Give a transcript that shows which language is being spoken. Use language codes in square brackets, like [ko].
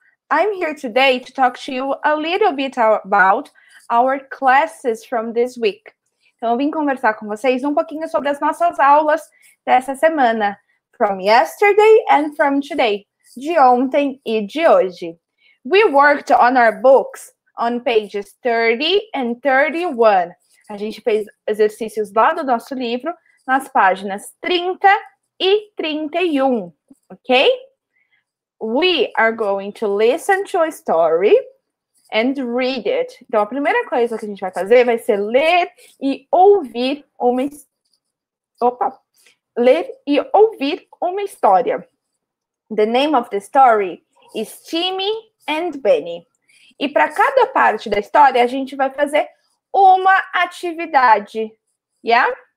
[en] I'm here today to talk to you a little bit about our classes from this week. [pt] Então, eu vim conversar com vocês um pouquinho sobre as nossas aulas dessa semana, [en] from yesterday and from today, [pt] de ontem e de hoje. [en] We worked on our books on pages 30 and 31. [pt] A gente fez exercícios lá do nosso livro nas páginas 30 e 31, ok? [en] We are going to listen to a story and read it. [pt] Então, a primeira coisa que a gente vai fazer vai ser ler e ouvir uma... Opa! Ler e ouvir uma história. [en] The name of the story is Timmy and Benny. [pt] E para cada parte da história, a gente vai fazer uma atividade, yeah?